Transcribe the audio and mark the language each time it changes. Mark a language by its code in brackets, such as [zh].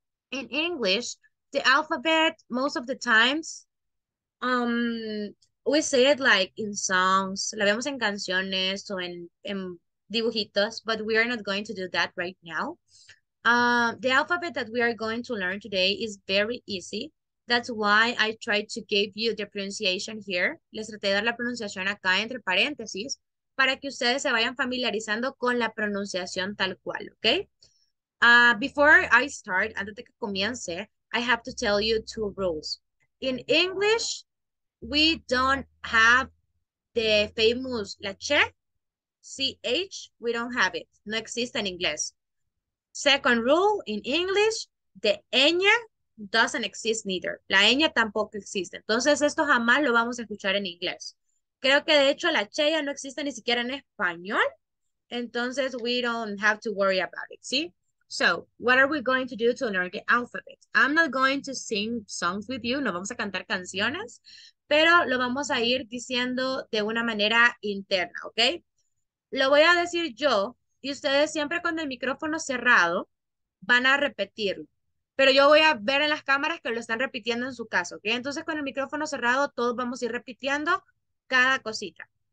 [en] In English, the alphabet, most of the times, we say it like in songs, [es] la vemos en canciones o en dibujitos, [en] but we are not going to do that right now. The alphabet that we are going to learn today is very easy. That's why I tried to give you the pronunciation here. [es] Les traté de dar la pronunciación acá entre paréntesis para que ustedes se vayan familiarizando con la pronunciación tal cual, okay? [en] Before I start, [es] antes de que comience, [en] I have to tell you two rules. In English, we don't have the famous la che, ch, we don't have it. [es] No existe en inglés. [en] Second rule in English, the ñ doesn't exist neither. [es] La ñ tampoco existe. Entonces esto jamás lo vamos a escuchar en inglés. Creo que de hecho la che ya no existe ni siquiera en español. Entonces [en] we don't have to worry about it, ¿sí? So, what are we going to do to learn the alphabet? I'm not going to sing songs with you. [es] No vamos a cantar canciones, pero lo vamos a ir diciendo de una manera interna, ¿ok? Lo voy a decir yo, y ustedes siempre con el micrófono cerrado van a repetirlo. Pero yo voy a ver en las cámaras que lo están repitiendo en su caso, ¿ok? Entonces, con el micrófono cerrado, todos vamos a ir repitiendo cada cosita.